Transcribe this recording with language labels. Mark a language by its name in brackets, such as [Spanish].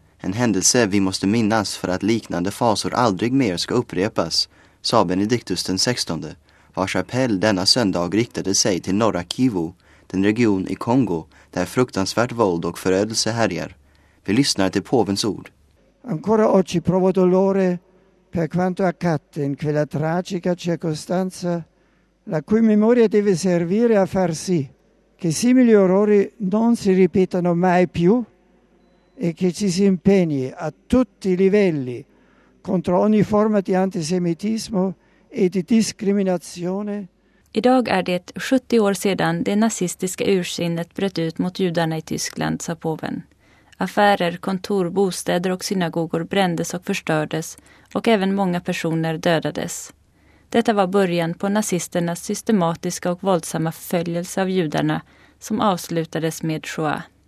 [Swedish] En händelse vi måste minnas för att liknande fasor aldrig mer ska upprepas, sa Benedictus den 16, vars appell denna söndag riktade sig till norra Kivu, den region i Kongo där fruktansvärt våld och förödelse härjar. Vi lyssnar till påvens ord. [Italian] Ancora oggi provo dolore per quanto accadde in quella tragica circostanza, la cui memoria deve servire a far sì che simili orrori non si ripetano mai più e che ci si impegni a tutti i livelli contro ogni forma di antisemitismo e di discriminazione. [Swedish] Idag är det 70 år sedan det nazistiska ursinnet bröt ut mot judarna i Tyskland, sa påven. Affärer, kontor, bostäder och synagogor brändes och förstördes och även många personer dödades. Detta var början på nazisternas systematiska och våldsamma förföljelse av judarna som avslutades med Shoah.